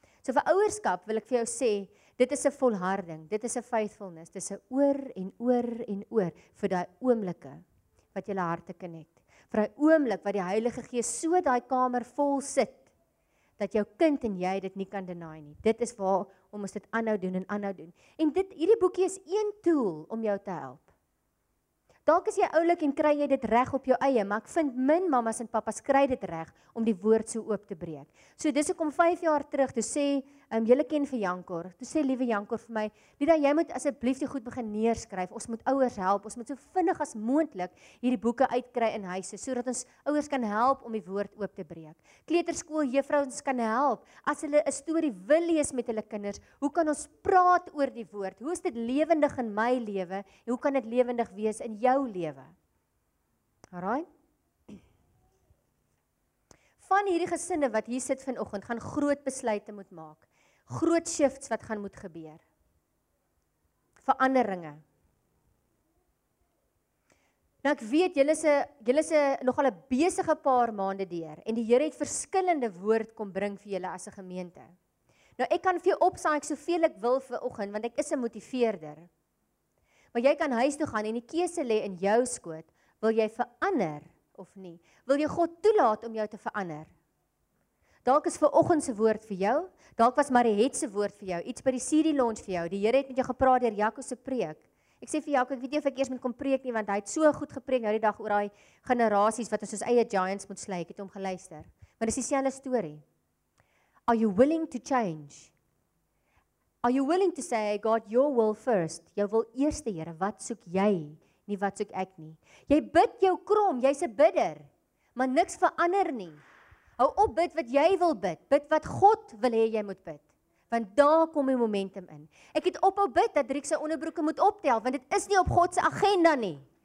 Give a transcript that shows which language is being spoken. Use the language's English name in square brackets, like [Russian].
[Afrikaans] So vir ouerskap wil ek vir jou sê, dit is 'n volharding, dit is 'n [English] faithfulness, [Afrikaans] dit is 'n oor en oor en oor vir daai oomblikke wat julle harte [English] connect. [Afrikaans] Vir daai oomblik wat die Heilige Gees so daai kamer vol sit dat jou kind en jy dit nie kan [English] deny [Afrikaans] nie. Dit is waar om ons dit aanhou doen en aanhou doen. En dit hierdie boekie is een tool om jou te help. Dalk is jy oulik en kry jy dit reg op jou eie, maar ek vind min mamas en papas kry dit reg om die woord so oop te breek. So dis hoekom 5 jaar terug toe sê, julle ken vir Jankor, toe sê liewe Jankor vir my, Lida, jy moet asseblief die goed begin neerskryf. Ons moet ouers help, ons moet so vinnig as moontlik hierdie boeke uitkry in huise sodat ons ouers kan help om die woord oop te breek. Kleuterskooljuffrouens kan help as hulle 'n storie wil lees met hulle kinders. Hoe kan ons praat oor die woord? Hoe is dit lewendig in my lewe en hoe kan dit lewendig wees in jou lewe? Alraai. Van hierdie gesinne wat hier sit vanoggend gaan groot besluite moet maak. Groot [English] shifts [Afrikaans] wat gaan moet gebeur. Veranderinge. Nou ek weet julle se nogal 'n besige paar maande deur en die Here het verskillende woord kom bring vir julle as 'n gemeente. Nou ek kan vir jou opsaai soveel ek wil vir oggend want ek is 'n motiveerder. Maar jy kan huis toe gaan en die keuse lê in jou skoot, wil jy verander of nie? Wil jy God toelaat om jou te verander? Dalk is vanoggend se woord vir jou, dalk was Mariet se woord vir jou, iets by die CD launch vir jou. Die Here het met jou gepraat deur Jaco se preek. Ek sê vir Jaco, ek weet nie of ek eers moet kom preek nie want hy het so goed gepreek nou die dag oor daai generasies wat ons soos eie [English] giants [Afrikaans] moet [English] sly. [Afrikaans] Ek het hom geluister. [English] Maar dis dieselfde storie. Are you willing to change? Are you willing to say God your will first? [Afrikaans] Jou wil eerste, Here, wat soek jy? Nie wat soek ek nie. Jy bid jou krom, jy's 'n bidder, maar niks verander nie. Hou op bid wat jy wil bid. Bid wat God wil hê jy moet bid. Want daar kom die momentum in. Ek het ophou bid dat Driek se onderbroeke moet optel, want dit is nie op God se agenda nie.